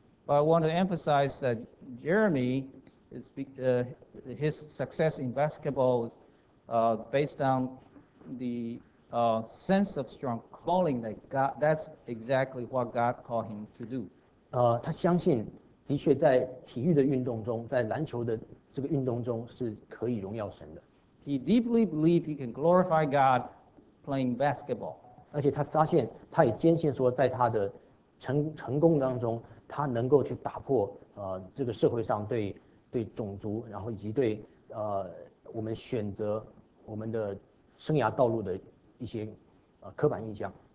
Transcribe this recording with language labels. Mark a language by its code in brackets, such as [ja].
[en] But I want to emphasize that Jeremy, his success in basketball is based on the sense of strong calling that God, that's exactly what God called him to do. [zh] 他相信的确在体育的运动中，在篮球的这个运动中是可以荣耀神的。 [en] He deeply believed he can glorify God playing basketball. [zh] 而且他发现，他也坚信说，在他的成功当中，他能够去打破这个社会上对种族，然后以及对我们选择我们的生涯道路的一些刻板印象。